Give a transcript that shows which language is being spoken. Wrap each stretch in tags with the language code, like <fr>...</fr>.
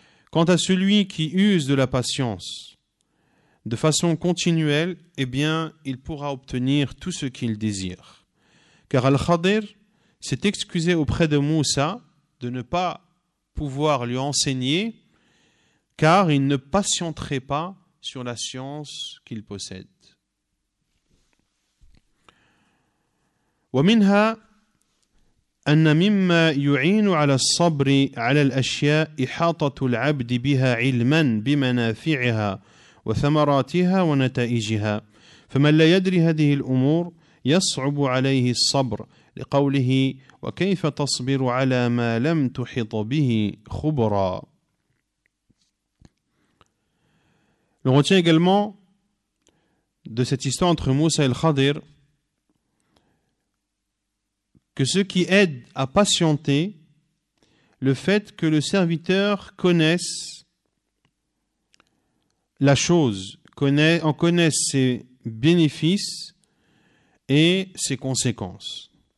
<fr>Quant à celui qui use de la patience de façon continuelle, eh bien, il pourra obtenir tout ce qu'il désire. Car Al-Khadir s'est excusé auprès de Moussa de ne pas pouvoir lui enseigner, car il ne patienterait pas sur la science qu'il possède.</fr> <ar>ومنها أن مما يعين على الصبر على الأشياء إحاطة العبد بها علما بمنافعها وثمراتها ونتائجها، فمن لا يدري هذه الأمور يصعب عليه الصبر، لقوله وكيف تصبر على ما لم تحط به خبرا.</ar> <fr>On retient également de cette histoire entre Moussa et le Khadir que ce qui aide à patienter, le fait que le serviteur connaisse la chose, en connaisse ses bénéfices et ses conséquences.</fr>